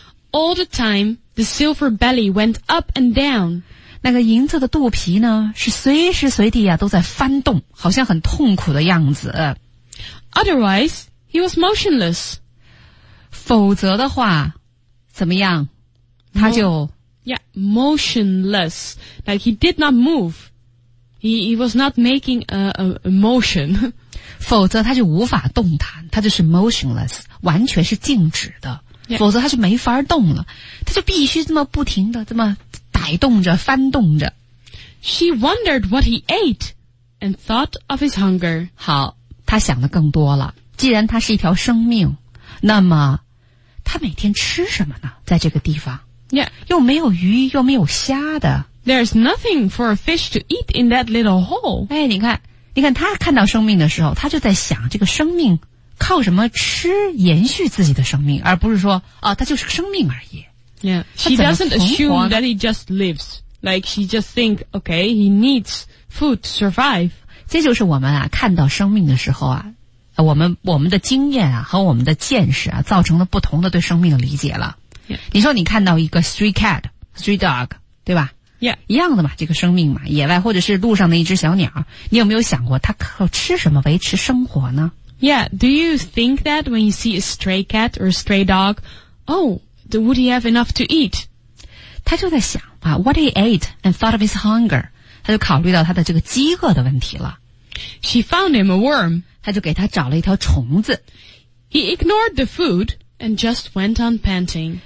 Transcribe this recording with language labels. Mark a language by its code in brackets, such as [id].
[en] All the time, the silver belly went up and down. [zh] 那个银色的肚皮呢是随时随地啊都在翻动好像很痛苦的样子。 [en] Otherwise, he was motionless. [zh] 否则的话怎么样他就。 [en] Yeah, motionless. Like he did not move. He was not making a motion. [zh] 否则他就无法动弹他就是 motionless, 完全是静止的。 [en] Yeah. [zh] 否则他就没法动了他就必须这么不停的这么摆动着翻动着 [en] She wondered what he ate and thought of his hunger [zh] 好他想的更多了既然他是一条生命那么他每天吃什么呢在这个地方 [en] Yeah [zh] 又没有鱼又没有虾的 [en] There's nothing for a fish to eat in that little hole [zh] 哎你看他看到生命的时候他就在想这个生命靠什么吃延续自己的生命而不是说、哦、他就是个生命而已 [en] Yeah, she doesn't assume that he just lives. Like she just think, okay, he needs food to survive. [zh] 这就是我们啊看到生命的时候啊我们的经验啊和我们的见识啊造成了不同的对生命的理解了。 [en] Yeah. [zh] 你说你看到一个 [en] stray cat, stray dog, [zh] 对吧 [en] ?Yeah. [zh] 一样的嘛这个生命嘛野外或者是路上的一只小鸟你有没有想过它靠吃什么维持生活呢 [en] ?Yeah, do you think that when you see a stray cat or a stray dog, oh, would he have enough to eat? [zh] 他就在想啊 , [en] what he ate and thought of his hunger, [zh] 他就考虑到他的这个饥饿的问题了。 [en] She found him a worm. [zh] 他就给他找了一条虫子。 [en] He ignored the food and just went on panting.